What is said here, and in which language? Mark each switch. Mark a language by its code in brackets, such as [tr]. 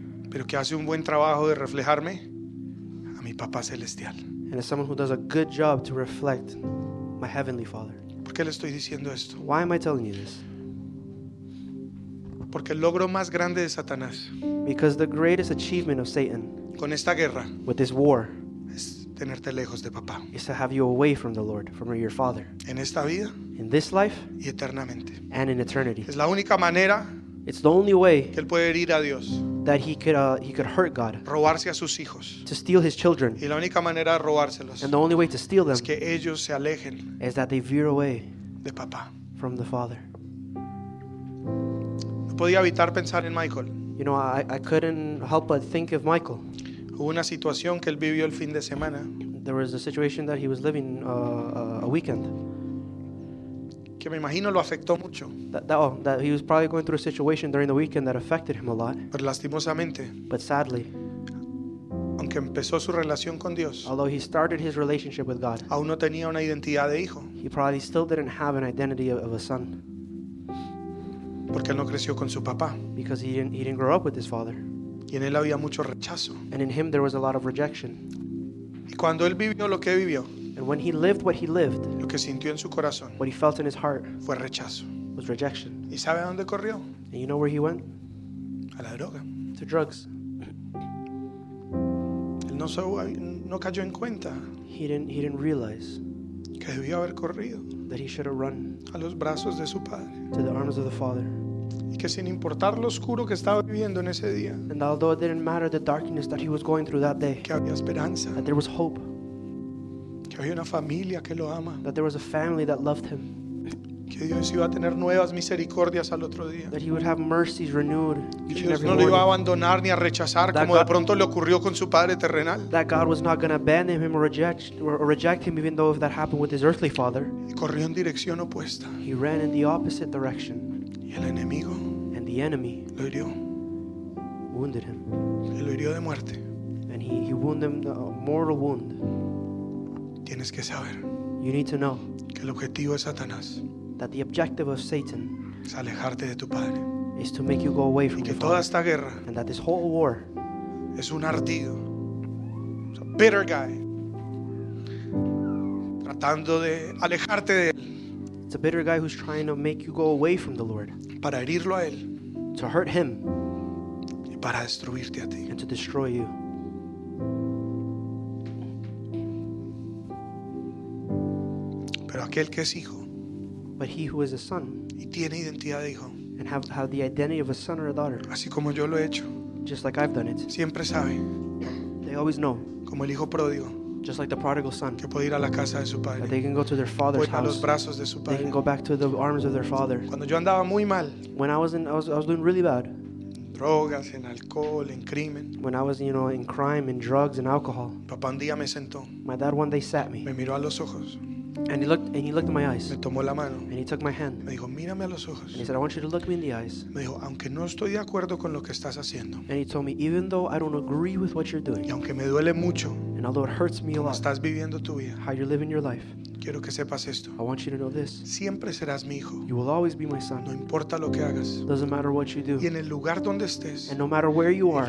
[es] Pero que hace un buen trabajo de reflejarme a mi papá celestial. [en] And as someone who does a good job to reflect my heavenly father. [es] ¿Por qué le estoy diciendo esto? [en] Why am I telling you this? [es] Porque el logro más grande de Satanás. [en] Because the greatest achievement of Satan. [es] Con esta guerra. [en] With this war. [es] Es tenerte lejos de papá. [en] Is to have you away from the Lord, from your father. [es] En esta vida. [en] In this life. [es] Y eternamente. [en] And in eternity. [es] Es la única manera. [en] It's the only way. [es] Que él puede herir a Dios. [en] That he could hurt God. [es] Robarse a sus hijos. [en] To steal his children. [es] Y la única manera de robárselos. [en] And the only way to steal them. [es] Es que ellos se alejen. [en] Is that they veer away. [es] De papá. [en] From the father. [es] Podía evitar pensar en Michael. [en] You know, I couldn't help but think of Michael. [es] Hubo una situación que él vivió el fin de semana. [en] There was a situation that he was living a weekend. [es] Que me imagino lo afectó mucho. [en] That he was probably going through a situation during the weekend that affected him a lot. [es] Pero lastimosamente. [en] But sadly. [es] aunque empezó su relación con Dios, [en] although he started his relationship with God, [es] aún no tenía una identidad de hijo. [en] He probably still didn't have an identity of a son. [es] Porque él no creció con su papá. [en] Because he didn't grow up with his father. [es] Y en él había mucho rechazo. [en] And in him there was a lot of rejection. [es] Y cuando él vivió lo que vivió, [en] and when he lived what he lived, [es] lo que sintió en su corazón, [en] what he felt in his heart, [es] fue rechazo. [en] Was rejection. [es] ¿Y sabe a dónde corrió? [en] And you know where he went? [es] A la droga. [en] To drugs. [es] Él no cayó en cuenta. [en] He didn't realize [es] que debió haber corrido. [en] That he should have run. [es] A los brazos de su padre. [en] To the arms of the father. [es] Y que sin importar lo oscuro que estaba viviendo en ese día, [en] and although it didn't matter the darkness that he was going through that day, [es] que había esperanza, [en] that there was hope, [es] que había una familia que lo ama, [en] that there was a family that loved him, [es] que Dios iba a tener nuevas misericordias al otro día, [en] that he would have mercies renewed, [es] que Dios no lo iba a abandonar ni a rechazar como de pronto le ocurrió con su padre terrenal, [en] that God was not going to abandon him or reject him even though if that happened with his earthly father. [es] Y corrió en dirección opuesta. [en] He ran in the opposite direction. [es] El enemigo, [en] and the enemy, [es] lo hirió, [en] wounded him, [es] y lo hirió de muerte, [en] and he wounded him a mortal wound. [es] Tienes que saber, [en] you need to know, [es] que el objetivo de Satanás, [en] that the objective of Satan, [es] es alejarte de tu padre, [en] is to make you go away from [es] y que toda [en] father, [es] esta guerra, [en] and that this whole war, [es] es un ardido, [en] a bitter guy, [es] tratando de alejarte de él. [en] It's a bitter guy who's trying to make you go away from the Lord. [es] Para herirlo a él. [en] To hurt him. [es] Y para destruirte a ti. [en] And to destroy you. [es] Pero aquel que es hijo, [en] but he who is a son. [es] Y tiene identidad de hijo, [en] and have the identity of a son or a daughter. [es] Así como yo lo he hecho, [en] just like I've done it. [es] Siempre sabe, [en] they always know. [es] Como el hijo pródigo, [en] just like the prodigal son, [es] que puede ir a la casa de su padre, [en] that they can go to their father's house, [es] a los brazos de su padre, [en] they can go back to the arms of their father. [es] Cuando yo andaba muy mal, [en] when I was doing really bad, [es] drogas, en alcohol, en crimen, [en] when I was, you know, in crime, in drugs and alcohol, [es] papá un día me sentó, [en] my dad one day sat me, [es] me miró a los ojos, [en] and he looked in my eyes, [es] me tomó la mano, [en] and he took my hand, [es] me dijo, mírame a los ojos, [en] and he said, I want you to look me in the eyes, [es] me dijo, aunque no estoy de acuerdo con lo que estás haciendo, [en] and he told me, even though I don't agree with what you're doing, [es] y aunque me duele mucho, [en] and although it hurts me a lot, [es] estás viviendo tu vida, [en] how you're living your life, [es] quiero que sepas esto, [en] I want you to know this, [es] siempre serás mi hijo, [en] you will always be my son, [es] no importa lo que hagas, [en] doesn't matter what you do, [es] y en el lugar donde estés, [en] and no matter where you are,